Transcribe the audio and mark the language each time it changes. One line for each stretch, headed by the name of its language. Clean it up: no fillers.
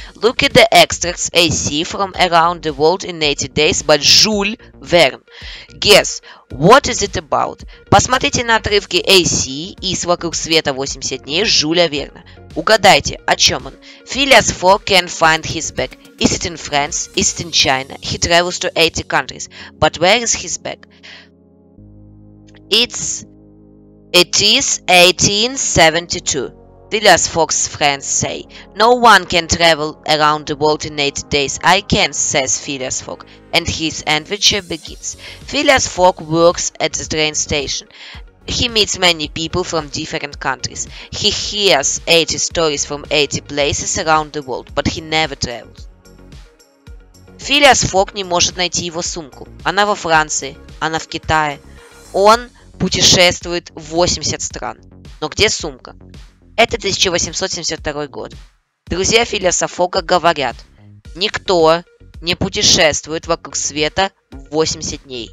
English: Look at the extracts AC from Around the World in 80 Days by Jules Verne. Guess, what is it about?
Russian: Посмотрите на отрывки AC из «Вокруг света 80 дней» Жюля Верна. Угадайте, о чем он?
English: Phileas Fogg can't find his bag. Is it in France? Is it in China? He travels to 80 countries. But where is his bag? It is 1872. Phileas Fogg's friends say. No one can travel around the world in 80 days. I can, says Phileas Fogg. And his adventure begins. Phileas Fogg works at the train station. He meets many people from different countries. He hears 80 stories from 80 places around the world, but he never travels.
Russian: Phileas Fogg не может найти его сумку. Она во Франции, она в Китае. Он путешествует в 80 стран. Но где сумка? Это 1872 год. Друзья Филиаса Фогга говорят, никто не путешествует вокруг света 80 дней.